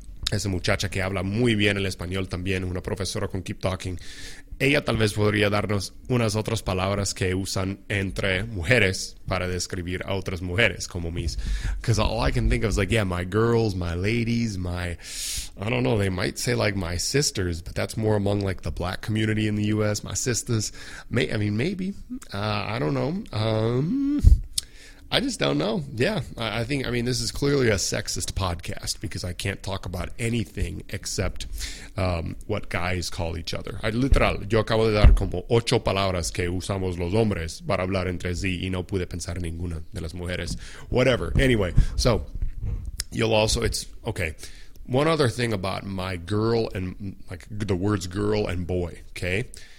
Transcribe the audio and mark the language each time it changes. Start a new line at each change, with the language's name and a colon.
Spanish: Esa muchacha que habla muy bien el español también. Una profesora con Keep Talking. Ella tal vez podría darnos unas otras palabras que usan entre mujeres para describir a otras mujeres como mis.
English: Because all I can think of is like, yeah, my girls, my ladies, my, I don't know, they might say like my sisters, but that's more among like the black community in the U.S., my sisters. Maybe. I don't know. I just don't know. Yeah, I think this is clearly a sexist podcast because I can't talk about anything except what guys call each other.
Spanish: Literal, yo acabo de dar como 8 palabras que usamos los hombres para hablar entre sí y no pude pensar ninguna de las mujeres.
English: Whatever. Anyway, so you'll also, it's, okay. One other thing about my girl and like the words girl and boy, okay?